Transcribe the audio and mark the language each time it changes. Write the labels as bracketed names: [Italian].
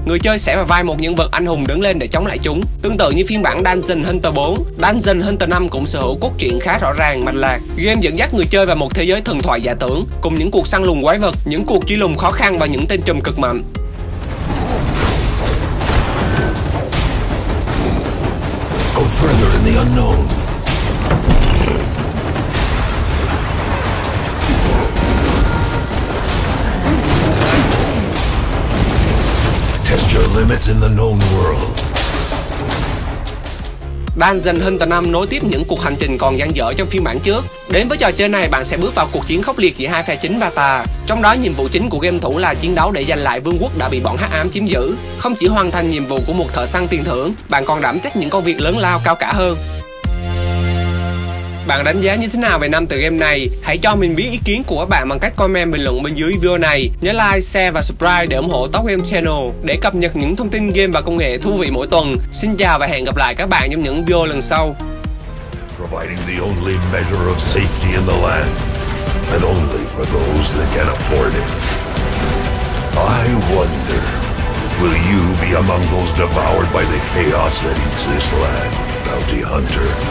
[Vietnamese] Người chơi sẽ vào vai một nhân vật anh hùng đứng lên để chống lại chúng. Tương tự như phiên bản Dungeon Hunter 4, Dungeon Hunter 5 cũng sở hữu cốt truyện khá rõ ràng, mạch lạc. Game dẫn dắt người chơi vào một thế giới thần thoại giả tưởng cùng những cuộc săn lùng quái vật, những cuộc truy lùng khó khăn và những tên trùm cực mạnh. [English] Go further in the unknown. Test your limits in the known world. [Vietnamese] Dungeon Hunter 5 nối tiếp những cuộc hành trình còn dang dở trong phiên bản trước. Đến với trò chơi này, bạn sẽ bước vào cuộc chiến khốc liệt giữa hai phe chính và tà. Trong đó, nhiệm vụ chính của game thủ là chiến đấu để giành lại vương quốc đã bị bọn hắc ám chiếm giữ. Không chỉ hoàn thành nhiệm vụ của một thợ săn tiền thưởng, bạn còn đảm trách những công việc lớn lao cao cả hơn. Bạn đánh giá như thế nào về năm tựa game này? Hãy cho mình biết ý kiến của các bạn bằng cách comment bình luận bên dưới video này. Nhớ like, share và subscribe để ủng hộ Top Game Channel để cập nhật những thông tin game và công nghệ thú vị mỗi tuần. Xin chào và hẹn gặp lại các bạn trong những video lần sau. [English] Providing the only measure of safety in the land, and only for those that can afford it. I wonder, will you be among those devoured by the chaos that eats this land, bounty hunter?